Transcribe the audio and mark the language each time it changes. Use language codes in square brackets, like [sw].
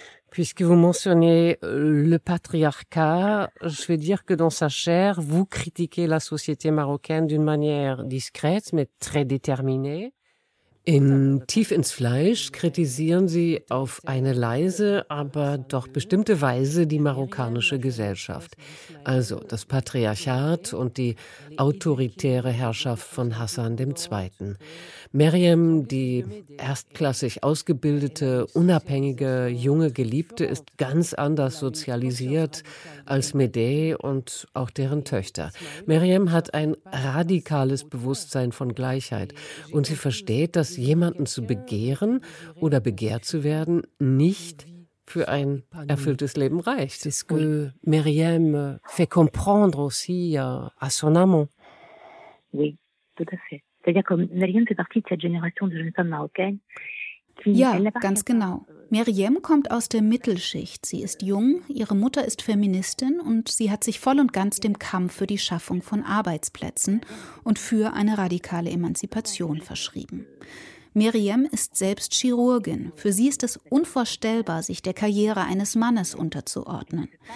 [fr] Puisque vous mentionnez le patriarcat, je vais dire que dans sa chair, vous critiquez la société marocaine d'une manière discrète, mais très déterminée. [de] In tief ins Fleisch kritisieren Sie auf eine leise, aber doch bestimmte Weise die marokkanische Gesellschaft. Also das Patriarchat und die autoritäre Herrschaft von Hassan II. Meriem, die erstklassig ausgebildete, unabhängige, junge Geliebte, ist ganz anders sozialisiert als Medea und auch deren Töchter. Meriem hat ein radikales Bewusstsein von Gleichheit und sie versteht, dass jemanden zu begehren oder begehrt zu werden, nicht für ein erfülltes Leben reicht. [fr] C'est ce que Meriem fait comprendre aussi à son amant. Oui, tout à fait. C'est-à-dire que Meriem fait partie de cette génération de jeunes femmes marocaines. [de] Ja, ganz genau. Meriem kommt aus der Mittelschicht. Sie ist jung, ihre Mutter ist Feministin und sie hat sich voll und ganz dem Kampf für die Schaffung von Arbeitsplätzen und für eine radikale Emanzipation verschrieben. Meriem ist selbst Chirurgin. Für sie ist es unvorstellbar, sich der Karriere eines Mannes unterzuordnen.